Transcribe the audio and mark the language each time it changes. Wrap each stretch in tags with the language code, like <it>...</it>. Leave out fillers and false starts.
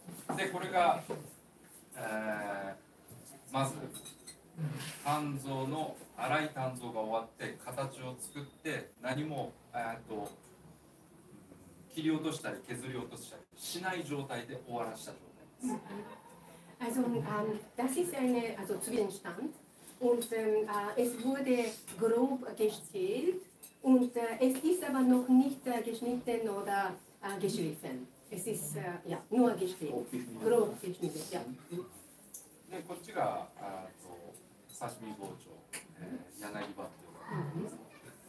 <ja>Und これが、まず鍛造の粗い鍛造が終わって形を作って何も切り落としたり削り落としたりしない状態で終わらした状態です。</ja> <de>Also, das ist eine, also Zwischenstand. Und es wurde grob gestählt. Und es ist aber noch nicht geschnitten oder geschliffen. Es ist ja, nur gestählt. Grob geschnitten, ja.</de> <ja>で、こっちが刺身包丁、柳刃っていうのがあります。</ja>